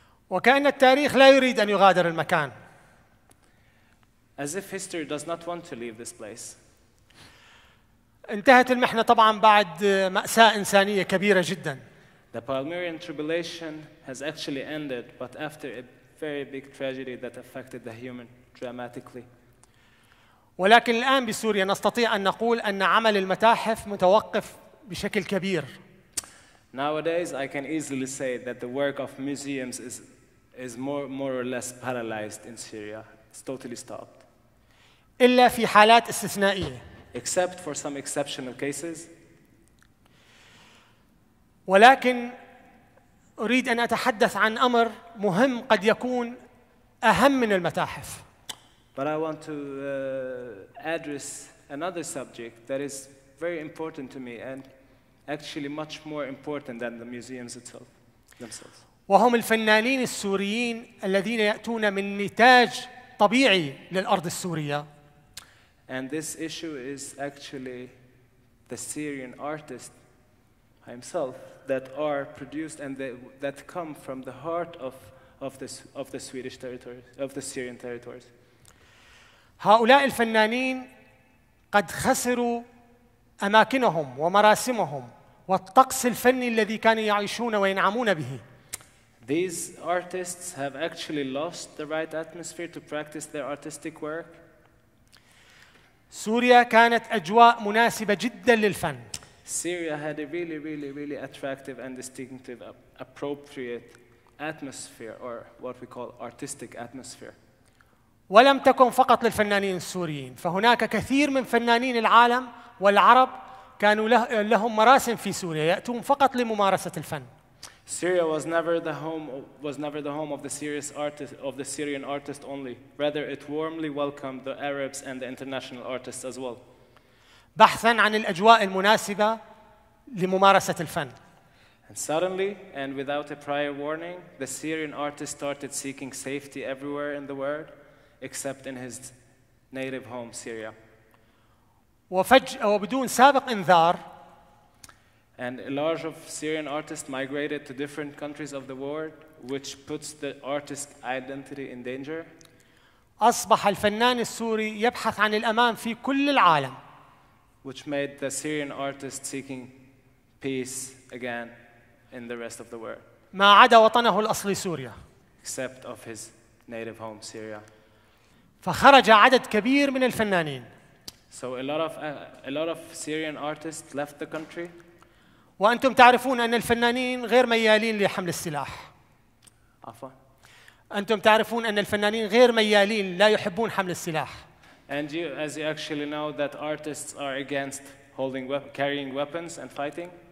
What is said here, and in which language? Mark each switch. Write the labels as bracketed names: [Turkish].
[Arabic] وكأن التاريخ لا يريد أن يغادر المكان. [English] As if history does not want to leave this place. [Arabic] انتهت المحنة طبعا بعد مأساة إنسانية كبيرة جدا. [English] The Palmyrian tribulation has actually ended, but after a very big tragedy that affected the human dramatically. [Arabic] ولكن الآن بسوريا نستطيع أن نقول أن عمل المتاحف متوقف بشكل كبير. [English] Nowadays, I can easily say that the work of museums is more or less paralyzed in Syria. It's totally stopped. [Arabic] إلا في حالات استثنائية. [English] Except for some exceptional cases. [Arabic] ولكن أريد أن أتحدث عن أمر مهم قد يكون أهم من المتاحف. [English] But I want to address another subject that is very important to me and actually much more important than the museums itself themselves. [Arabic] وهم الفنانين السوريين الذين يأتون من نتاج طبيعي للأرض السورية. [English] And this issue is actually the Syrian artist himself that are produced and that come from the heart of the Swedish territory, of the Syrian territories. [Arabic] هؤلاء الفنانين قد خسروا أماكنهم ومراسمهم والطقس الفني الذي كانوا يعيشون وينعمون به. [English] These artists have actually lost the right atmosphere to practice their artistic work. [Arabic] سوريا كانت أجواء مناسبة جدا للفن. [English] Syria had a really, really, really attractive and distinctive, appropriate atmosphere, or what we call artistic atmosphere. [Arabic] ولم تكن فقط للفنانين السوريين، فهناك كثير من فنانين العالم والعرب كانوا لهم مراسم في سوريا، يأتون فقط لممارسة الفن. [English] Syria was never the home of the serious artist of the Syrian artist only. Rather, it warmly welcomed the Arabs and the international artists as well. [Arabic] بحثاً عن الأجواء المناسبة لممارسة الفن. [English] And suddenly, and without a prior warning, the Syrian artist started seeking safety everywhere in the world. Except in his native home, Syria. [Arabic] وبدون سابق انذار. [English] And a large of Syrian artists migrated to different countries of the world, which puts the artist's identity in danger. [Arabic] أصبح الفنان السوري يبحث عن الأمان في كل العالم. [English] Which made the Syrian artist seeking peace again in the rest of the world. [Arabic] ما عدا وطنه الأصلي سوريا. [English] Except of his native home, Syria. [Arabic] فخرج عدد كبير من الفنانين. [English] So a lot of Syrian artists left the country. [Arabic] وأنتم تعرفون أن الفنانين غير ميالين لحمل السلاح. عفوا. أنتم تعرفون أن الفنانين غير ميالين لا يحبون حمل السلاح. [English] And you, as you actually know, that artists are against holding carrying weapons and fighting.